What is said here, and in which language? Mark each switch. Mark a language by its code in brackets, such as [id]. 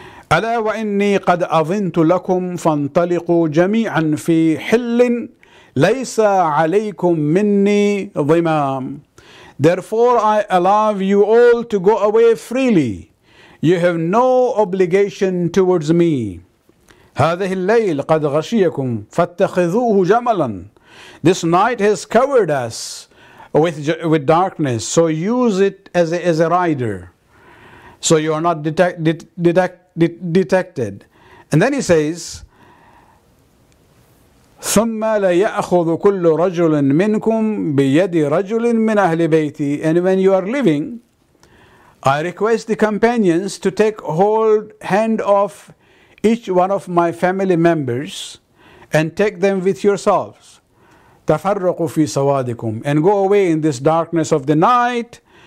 [ar] أَلَا وَإِنِّي قَدْ أَظِنْتُ لَكُمْ فَانْطَلِقُوا جَمِيعًا فِي حِلٍّ لَيْسَ عَلَيْكُمْ مِنِّي ظِمَامٍ. [en] Therefore, I allow you all to go away freely. You have no obligation towards me. [ar] هذه الليل قد غشيكم فاتخذوه جملا. [en] This night has covered us with darkness, so use it as a rider, so you are not detected. And then he says, [ar] ثم لا يأخذ كل رجل منكم بيد رجل من أهل بيتي. [en] And when you are leaving, I request the companions to take hand of each one of my family members and take them with yourselves. [ar] تفرقوا في سوادكم. [en] And go away in this darkness of the night.